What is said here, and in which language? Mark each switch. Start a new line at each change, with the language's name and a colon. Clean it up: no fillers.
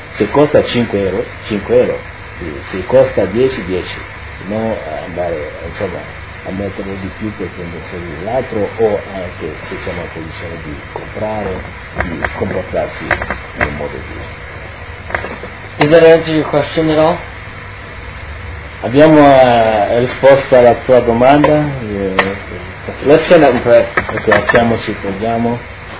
Italian: Se costa 5 euro, 5 euro, se costa 10, 10, non andare, insomma, a mettere di più per prendere soldi dell'altro, o anche se siamo in posizione di comprare, di comportarsi in un modo giusto.
English: Did that answer your question at all?
Italian: Abbiamo risposto alla tua domanda.
English: Let's stand up and pray.
Italian: Ok, facciamoci, prendiamo.